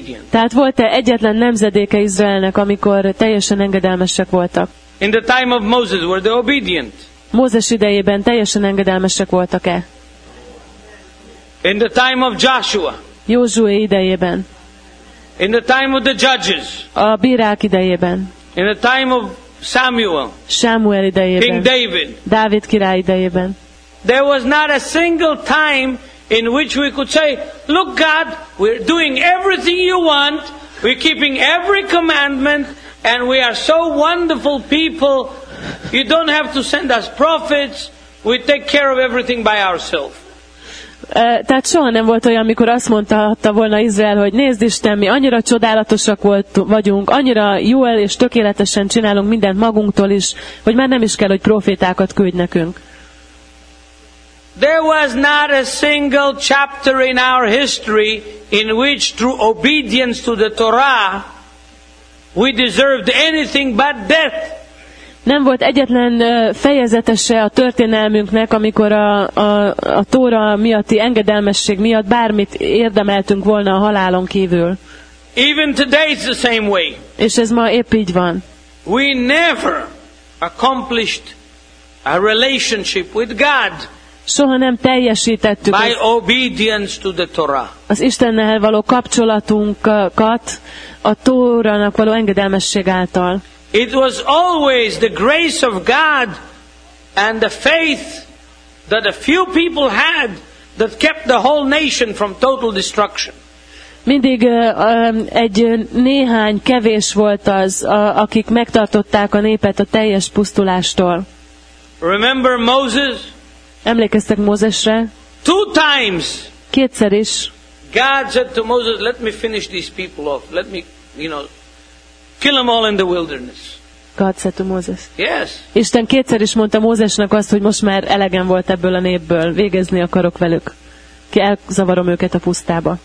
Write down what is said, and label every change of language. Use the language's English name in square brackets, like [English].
[Hungarian] Tehát volt-e egyetlen nemzedéke Izraelnek, amikor teljesen engedelmesek voltak? [English] In the time of Moses, were they obedient? [Hungarian] Mózes idejében teljesen engedelmesek voltak-e? [English] In the time of Joshua, [Hungarian] Józsué idejében. [English] In the time of the judges, [Hungarian] a bírák idejében. [English] In the time of Samuel. [Hungarian] Samuel idejében. [English] King David. [Hungarian] Dávid király idejében. [English] There was not a single time in which we could say, "Look, God, we're doing everything you want. We're keeping every commandment, and we are so wonderful people. You don't have to send us prophets. We take care of everything by ourselves." [Hungarian] Tehát soha nem volt olyan, amikor azt mondta volna Izrael, hogy nézd Isten, mi annyira csodálatosak vagyunk, annyira jól és tökéletesen csinálunk mindent magunktól is, hogy már nem is kell, hogy prófétákat küldj nekünk. [English] There was not a single chapter in our history in which through obedience to the Torah we deserved anything but death. [Hungarian] Nem volt egyetlen fejezetese a történelmünknek, amikor a Tóra miatti engedelmesség miatt bármit érdemeltünk volna a halálon kívül. [English] Even today it's the same way. [Hungarian] És ez ma épp így van. [English] We never accomplished a relationship with God. [Hungarian] Soha nem teljesítettük [English] by obedience to the Torah. [Hungarian] Az Istennel való kapcsolatunkat a Tóranak való engedelmesség által. [English] It was always the grace of God and the faith that a few people had that kept the whole nation from total destruction. [Hungarian] Mindig egy néhány kevés volt az, akik megtartották a népet a teljes pusztulástól. [English] Remember Moses? [Hungarian] Emlékeztek Mózesre? [English] Two times. [Hungarian] Kétszer is. [English] God said to Moses, "Let me finish these people off. Let me, you know, kill them all in the wilderness." God said to Moses. Yes. [Hungarian] Isten kétszer is mondta Mózesnek azt, hogy most már elegem volt ebből a népből, végezni akarok velük. Ki elzavarom őket a pusztába.